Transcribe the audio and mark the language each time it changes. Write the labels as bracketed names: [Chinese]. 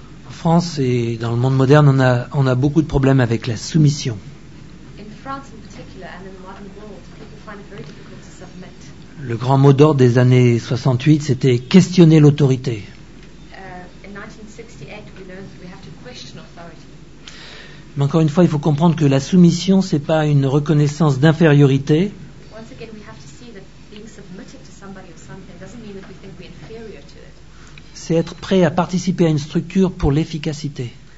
[French] France et dans le monde moderne, on a beaucoup de problèmes avec la soumission. [English] In France in particular and in the modern world, people find it very difficult to submit. [French] Le grand mot d'ordre des années 68, c'était questionner l'autorité. [English] In 1968, we learned that we have to question authority. [French] Mais encore une fois, il faut comprendre que la soumission, c'est pas une reconnaissance d'infériorité. [English] Once again, we have to see that being submitted to somebody or something doesn't mean that we think we're inferior to it. [French] C'est être prêt à participer à une structure pour l'efficacité.